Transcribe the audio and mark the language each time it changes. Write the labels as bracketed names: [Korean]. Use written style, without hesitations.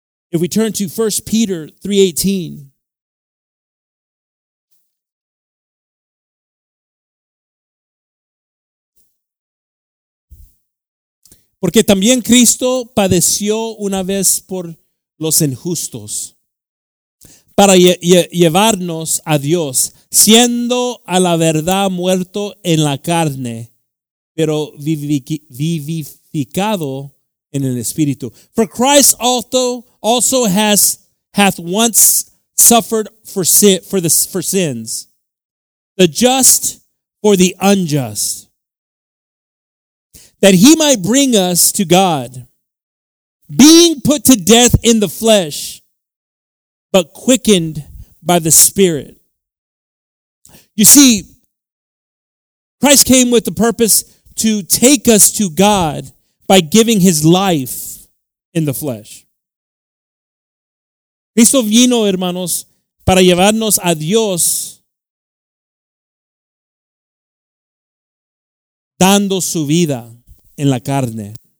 [English] If we turn to 1 Peter 3:18, [Spanish] porque también Cristo padeció una vez por los injustos, para llevarnos a Dios, siendo a la verdad muerto en la carne, pero vivificado en el Espíritu. [English] For Christ also hath once suffered for sins, the just for the unjust, that he might bring us to God, being put to death in the flesh, but quickened by the Spirit. You see, Christ came with the purpose to take us to God by giving his life in the flesh. [Spanish] Cristo vino, hermanos, para llevarnos a Dios, dando su vida en la carne.